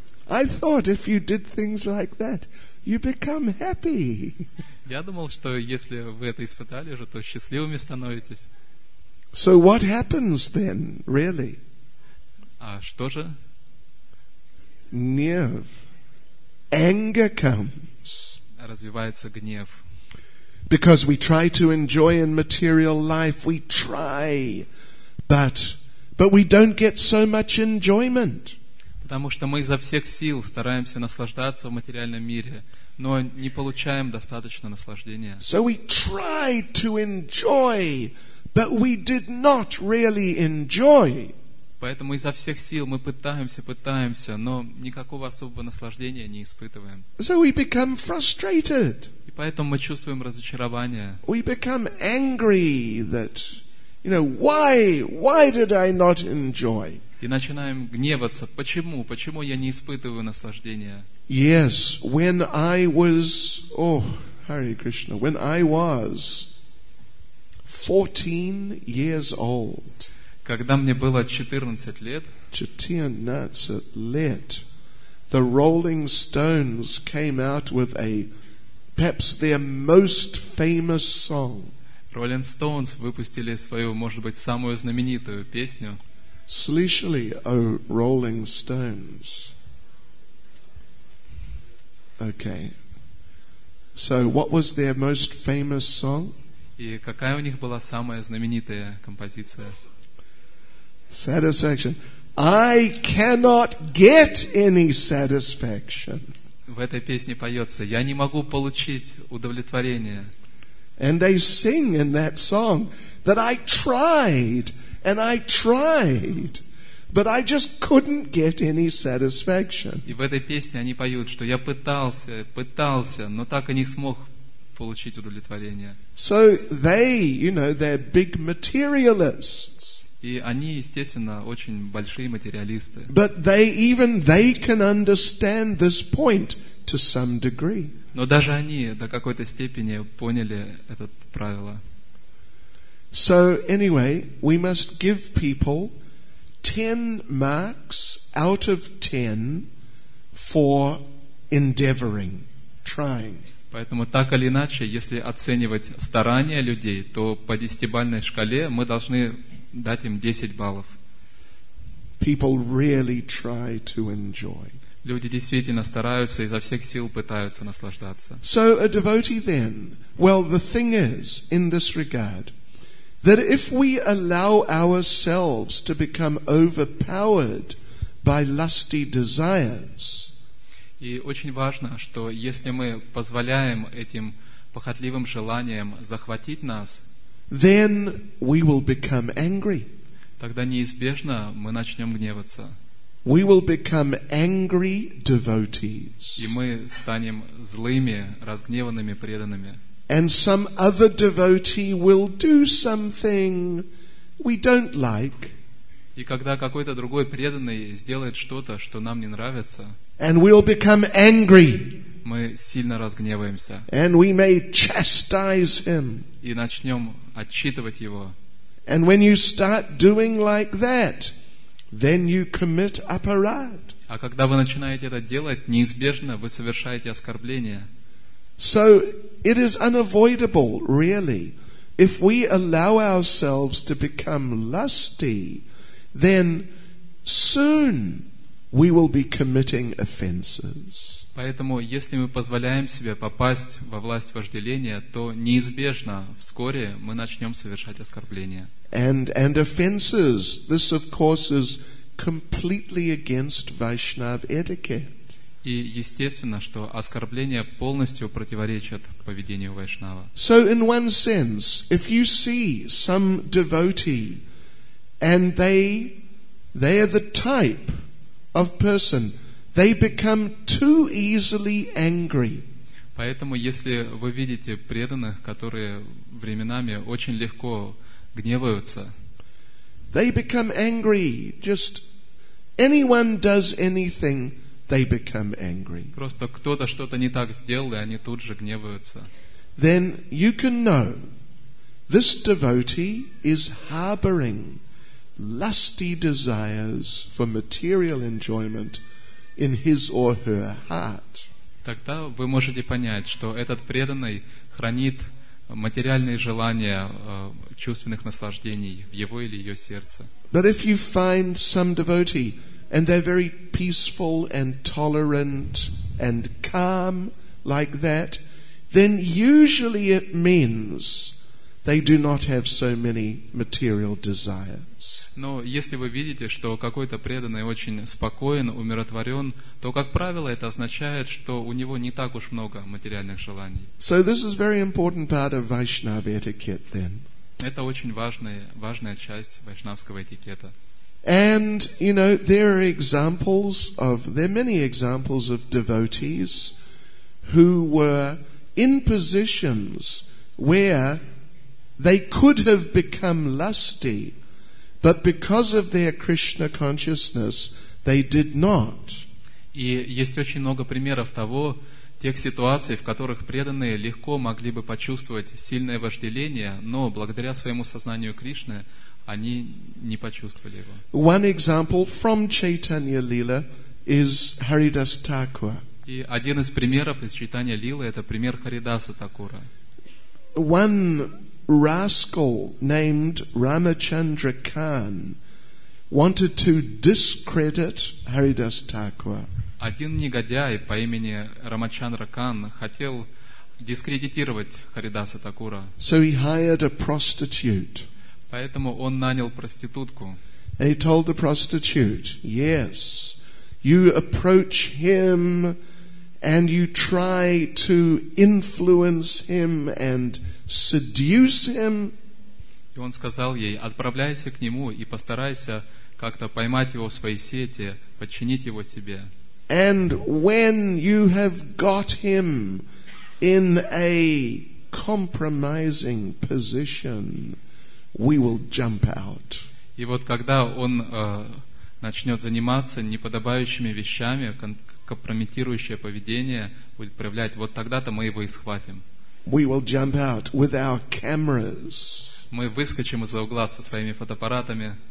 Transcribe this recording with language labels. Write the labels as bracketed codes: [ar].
[en] I thought if you did things like that, you become happy. [ru] Я думал, что если вы это испытали уже, то счастливыми становитесь. [en] So what happens then, really? [ru] А что же? [en] Gnev. Anger comes. [ru] Развивается гнев. [en] Because we try to enjoy in material life, we try, but we don't get so much enjoyment. [ru] Потому что мы изо всех сил стараемся наслаждаться в материальном мире, но не получаем достаточно наслаждения. [en] So we tried to enjoy, but we did not really enjoy. [ru] Поэтому изо всех сил мы пытаемся, но никакого особого наслаждения не испытываем. [en] So we become frustrated. [ru] И поэтому мы чувствуем разочарование. [en] We become angry that, you know, why did I not enjoy? [ru] И начинаем гневаться. Почему я не испытываю наслаждения? [en] Yes, when I was, Hare Krishna, when I was 14 years old. [ru] Когда мне было 14 лет. 14 лет. [en] The Rolling Stones came out with perhaps their most famous song. [ru] Rolling Stones выпустили свою, может быть, самую знаменитую песню. Слышали, о Rolling Stones? [en] Okay. So what was their most famous song? [ru] И какая у них была самая знаменитая композиция? [en] Satisfaction. I cannot get any satisfaction. [ru] В этой песне поется, я не могу получить удовлетворение. [en] And they sing in that song that I tried and I tried, but I just couldn't get any satisfaction. [ru] И в этой песне они поют, что я пытался, но так и не смог получить удовлетворение. [en] So they, you know, they're big materialists. [ru] И они, естественно, очень большие материалисты. [en] But they can understand this point to some degree. [ru] Но даже они до какой-то степени поняли это правило. [en] So anyway, we must give people 10 marks out of 10 for endeavoring, trying. [ru] Поэтому так или иначе, если оценивать старания людей, то по десятибалльной шкале мы должны дать им 10 баллов. [en] People really try to enjoy. [ru] Люди действительно стараются изо всех сил пытаются наслаждаться. [en] So a devotee then, well, the thing is in this regard that if we allow ourselves to become overpowered by lusty desires. [ru] И очень важно, что если мы позволяем этим похотливым желаниям захватить нас, [en] then we will become angry. [ru] Тогда неизбежно мы начнем гневаться. [en] We will become angry devotees. [ru] И мы станем злыми, разгневанными преданными. [en] And some other devotee will do something we don't like. [ru] И когда какой-то другой преданный сделает что-то, что нам не нравится, [en] and we'll become angry. [ru] Мы сильно разгневаемся. [en] And we may chastise him. [ru] И начнем отчитывать его. [en] And when you start doing like that, then you commit aparad. [ru] А когда вы начинаете это делать, неизбежно вы совершаете оскорбление. [en] So it is unavoidable, really, if we allow ourselves to become lusty, then soon we will be committing offenses. [ru] Поэтому, если мы позволяем себе попасть во власть вожделения, то неизбежно вскоре мы начнем совершать оскорбления. [en] And offenses. This, of course, is completely against Vaishnav etiquette. [ru] И естественно, что оскорбления полностью противоречат поведению вайшнава. [en] So in one sense, if you see some devotee and they are the type of person, they become too easily angry. [ru] Поэтому, если вы видите преданных, которые временами очень легко гневаются, [en] they become angry. Just anyone does anything, they become angry. [ru] Просто кто-то что-то не так сделал, и они тут же гневаются. [en] Then you can know this devotee is harboring lusty desires for material enjoyment in his or her heart. [ru] Тогда вы можете понять, что этот преданный хранит материальные желания чувственных наслаждений в его или ее сердце. [en] But if you find some devotee and they're very peaceful and tolerant and calm like that, then usually it means they do not have so many material desires. [ru] Но если вы видите, что какой-то преданный очень спокоен, умиротворен, то, как правило, это означает, что у него не так уж много материальных желаний. [en] So this is very important part of Vaishnava etiquette then. [ru] Это очень важная часть вайшнавского этикета. [en] And, you know, there are many examples of devotees who were in positions where they could have become lusty, but because of their Krishna consciousness, they did not. [ru] И есть очень много примеров того, тех ситуаций, в которых преданные легко могли бы почувствовать сильное вожделение, но благодаря своему сознанию Кришны они не почувствовали его. [en] One example from Chaitanya Lila is Haridas Thakura. [ru] И один из примеров из Чайтанья Лилы — это пример Харидаса Такура. [en] Rascal named Ramachandra Khan wanted to discredit Haridas Thakura. [ru] Один негодяй по имени Рамачандра Кан хотел дискредитировать Харидаса Такура. [en] So he hired a prostitute. [ru] Поэтому он нанял проститутку. [en] And he told the prostitute, "Yes, you approach him and you try to influence him and seduce him." [ru] И он сказал ей: отправляйся к нему и постарайся как-то поймать его в свои сети, подчинить его себе. [en] And when you have got him in a compromising position, we will jump out. [ru] И вот когда он начнет заниматься неподобающими вещами, компрометирующее поведение будет проявлять, вот тогда-то мы его и схватим. [en] We will jump out with our cameras. [ru] Мы выскочим из-за угла со своими фотоаппаратами.